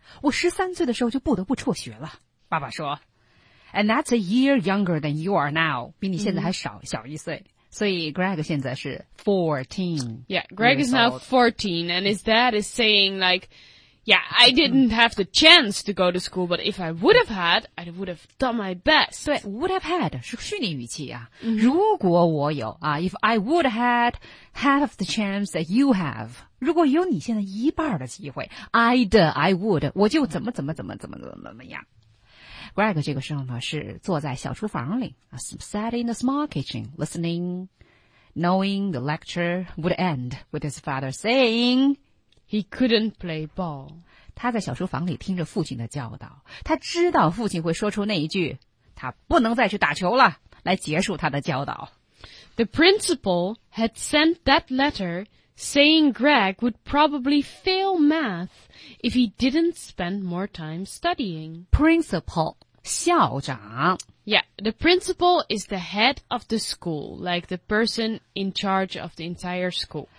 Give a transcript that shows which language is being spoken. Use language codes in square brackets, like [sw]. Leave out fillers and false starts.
[zh] 我13岁的时候就不得不辍学了。爸爸说 [en] And that's a year younger than you are now. [zh] 比你现在还少、mm-hmm. 小一岁。所以 Greg 现在是 14. [en] Yeah, Greg is now 14, and his dad is saying like, yeah, I didn't have the chance to go to school, but if I would have had, I would have done my best. [zh] 对 , [en] would have had [zh] 是虚拟语气啊。Mm-hmm. 如果我有啊 , [en] if I would have had half of the chance that you have, [zh] 如果有你现在一半的机会 , [en] I would, [zh] 我就怎么样。 [en] Greg [zh] 这个时候呢是坐在小厨房里 [en] sat in the small kitchen, listening, knowing the lecture would end with his father saying he couldn't play ball. [zh] 他在小厨房里听着父亲的教导，他知道父亲会说出那一句他不能再去打球了来结束他的教导。 [en] The principal had sent that letter saying Greg would probably fail math if he didn't spend more time studying. [zh] Principal, 校长。 [en] Yeah, the principal is the head of the school, like the person in charge of the entire school.